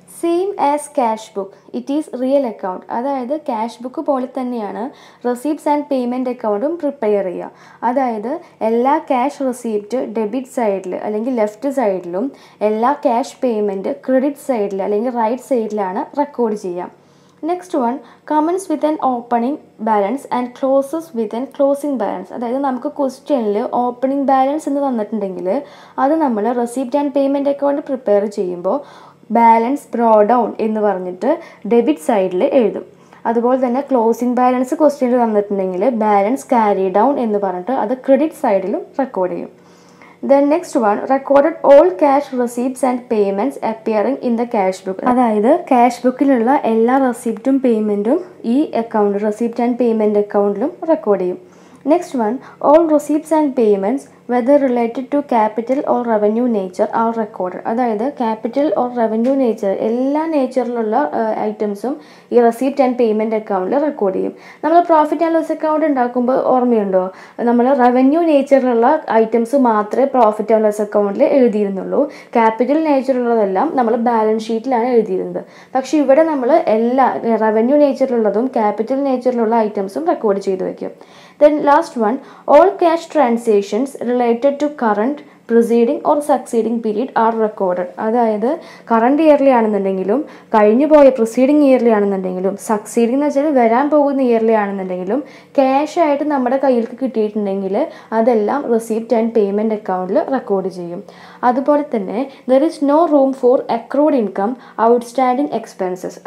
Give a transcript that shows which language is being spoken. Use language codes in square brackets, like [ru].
[en] Same as cash book, it is real account. [ml] അതായത് cash book പോലെ തന്നെയാണ് receipts and payment അക്കൗണ്ടും prepare ചെയ്യുക. അതായത് എല്ലാ ക്യാഷ് റെസീപ്റ്റ് ഡെബിറ്റ് സൈഡിൽ അല്ലെങ്കിൽ ലെഫ്റ്റ് സൈഡിലും എല്ലാ ക്യാഷ് പേയ്മെൻറ്റ് ക്രെഡിറ്റ് സൈഡിൽ അല്ലെങ്കിൽ റൈറ്റ് സൈഡിലാണ് റെക്കോർഡ് ചെയ്യുക. [en] Next one, comments with an opening balance and closes with an closing balance. [ml] That is, നമുക്ക് ക്വസ്റ്റ്യനില് ഓപ്പണിംഗ് ബാലൻസ് എന്ന് തന്നിട്ടുണ്ടെങ്കിൽ അത് നമ്മൾ receipt and payment account prepare ചെയ്യുമ്പോൾ ബാലൻസ് ബ്രോ ഡൗൺ എന്ന് പറഞ്ഞിട്ട് ഡെബിറ്റ് സൈഡിൽ എഴുതും. അതുപോലെ തന്നെ ക്ലോസിംഗ് ബാലൻസ് ക്വസ്റ്റ്യനിൽ തന്നിട്ടുണ്ടെങ്കിൽ ബാലൻസ് ക്യാരി ഡൗൺ എന്ന് പറഞ്ഞിട്ട് അത് ക്രെഡിറ്റ് സൈഡിലും റെക്കോർഡ് ചെയ്യും. [en] Then next one, recorded all cash receipts and payments appearing in the cash book. [ml] അതായത് cash book ഇലുള്ള എല്ലാ റെസിപ്റ്റും പേയ്മെൻറ്റും ഈ account receipt and payment അക്കൗണ്ടിലും record ചെയ്യും. [en] Next one, all receipts and payments, whether related to capital or revenue nature, are recorded. [ml] അതായത് [en] capital or revenue nature, [ml] എല്ലാ നേച്ചറിലുള്ള ഐറ്റംസും ഈ receipt and payment അക്കൗണ്ടിൽ റെക്കോർഡ് ചെയ്യും. നമ്മൾ പ്രോഫിറ്റ് ആൻഡ് ലോസ് അക്കൗണ്ട് ഉണ്ടാക്കുമ്പോൾ ഓർമ്മയുണ്ടോ, നമ്മൾ റവന്യൂ നേച്ചറിലുള്ള ഐറ്റംസ് മാത്രമേ പ്രോഫിറ്റ് ആൻഡ് ലോസ് അക്കൗണ്ടിൽ എഴുതിയിരുന്നുള്ളൂ. ക്യാപിറ്റൽ നേച്ചറുള്ളതെല്ലാം നമ്മൾ ബാലൻസ് ഷീറ്റിലാണ് എഴുതിയിരുന്നത്. പക്ഷേ ഇവിടെ നമ്മൾ എല്ലാ റവന്യൂ നേച്ചറിലുള്ളതും ക്യാപിറ്റൽ നേച്ചറിലുള്ള ഐറ്റംസും റെക്കോർഡ് ചെയ്ത് വയ്ക്കും. [en] Then last one, all cash transactions related to current, preceding or succeeding period are recorded. [ml] അതായത് കറണ്ട് ഇയർലി ആണെന്നുണ്ടെങ്കിലും കഴിഞ്ഞു പോയ പ്രൊസീഡിങ് ഇയർലി ആണെന്നുണ്ടെങ്കിലും സക്സീഡിംഗ് എന്ന് വെച്ചാൽ വരാൻ പോകുന്ന ഇയർലി ആണെന്നുണ്ടെങ്കിലും ക്യാഷ് ആയിട്ട് നമ്മുടെ കയ്യിലേക്ക് കിട്ടിയിട്ടുണ്ടെങ്കിൽ അതെല്ലാം റിസീപ്റ്റ് ആൻഡ് പേയ്മെൻറ്റ് അക്കൗണ്ടിൽ റെക്കോർഡ് ചെയ്യും. അതുപോലെ തന്നെ [en] There is no room for accrued income outstanding expenses.